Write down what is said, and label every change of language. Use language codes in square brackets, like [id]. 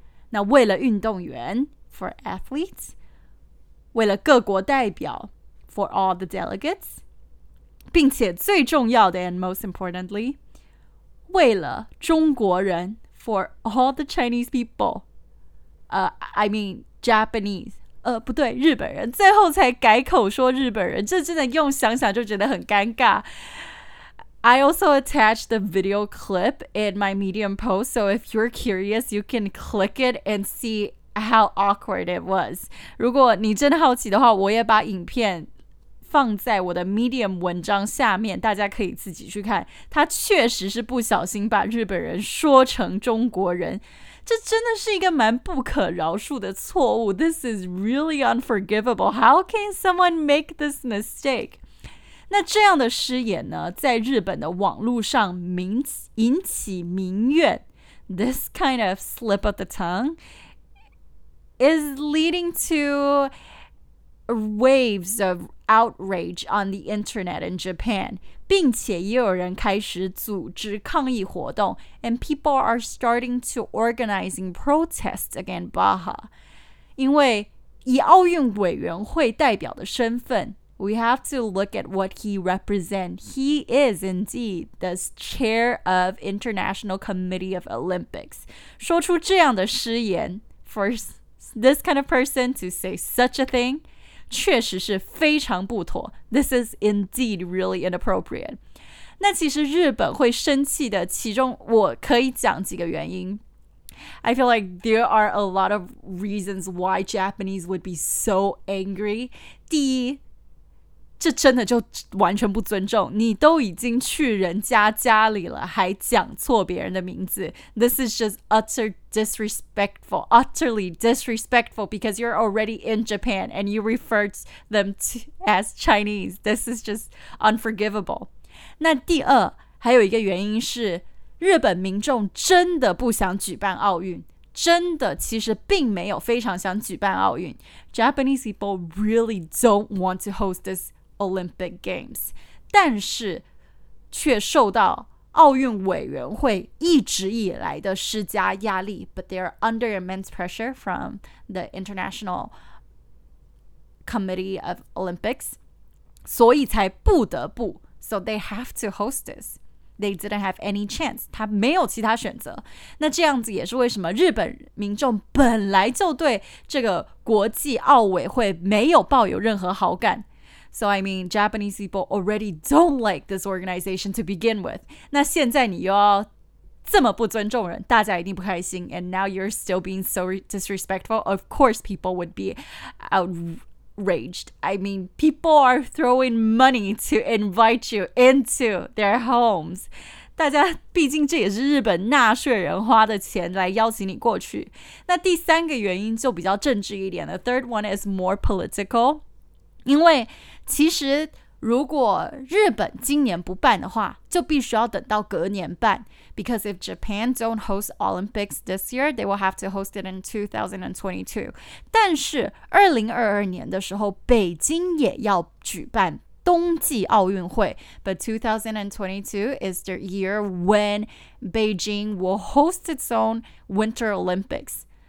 [zh] 那为了运动员 [en] for athletes, [zh] 为了各国代表 [en] for all the delegates, [zh] 并且最重要的 [en] and most importantly, [zh] 为了中国人 [en] for all the Chinese people, I mean Japanese, [zh] 不对，日本人，最后才改口说日本人，这真的用想想就觉得很尴尬。 [en] I also attached the video clip in my Medium post, so if you're curious, you can click it and see how awkward it was. [zh] 如果你真的好奇的话，我也把影片放在我的 Medium 文章下面，大家可以自己去看。他确实是不小心把日本人说成中国人，这真的是一个蛮不可饶恕的错误。 [en] This is really unforgivable. How can someone make this mistake? [zh] 那这样的失言呢，在日本的网络上引起民怨。 [en] This kind of slip of the tongue is leading to waves of outrage on the internet in Japan, [zh] 并且也有人开始组织抗议活动, [en] and people are starting to organizing protests against Baha. [zh] 因为以奥运委员会代表的身份, [en] we have to look at what he represents. He is indeed the chair of International Committee of Olympics. [zh] 说出这样的失言, [en] for this kind of person to say such a thing, [zh] 确实是非常不妥。 [en] This is indeed really inappropriate. [zh] 那其实日本会生气的其中我可以讲几个原因。 [en] I feel like there are a lot of reasons why Japanese would be so angry. [zh] 第一，这真的就完全不尊重，你都已经去人家家里了，还讲错别人的名字。 [en] This is just utter disrespectful, utterly disrespectful because you're already in Japan and you referred them to, as Chinese. This is just unforgivable. [zh] 那第二，还有一个原因是，日本民众真的不想举办奥运。真的其实并没有非常想举办奥运。 [en] Japanese people really don't want to host thisOlympic Games, [zh] 但是却受到奥运委员会一直以来的施加压力。 [en] But they are under immense pressure from the International Committee of Olympics, [zh] 所以才不得不 [en] So they have to host this. They didn't have any chance. [zh] 他没有其他选择。那这样子也是为什么日本民众本来就对这个国际奥委会没有抱有任何好感。 [en] So I mean, Japanese people already don't like this organization to begin with. [zh] 那现在你又要这么不尊重人，大家一定不开心。 [en] And now you're still being so disrespectful. Of course, people would be outraged. I mean, people are throwing money to invite you into their homes. [zh] 大家毕竟这也是日本纳税人花的钱来邀请你过去。那第三个原因就比较政治一点。 [en] The third one is more political. [zh] 因为其实如果日本今年不办的话，就必须要等到隔年办。 [en] Because if Japan don't host Olympics this year, they will have to host it in 2022. [zh] 但是2022年的时候，北京也要举办冬季奥运会。 [en] But 2022 is the year when Beijing will host its own Winter Olympics.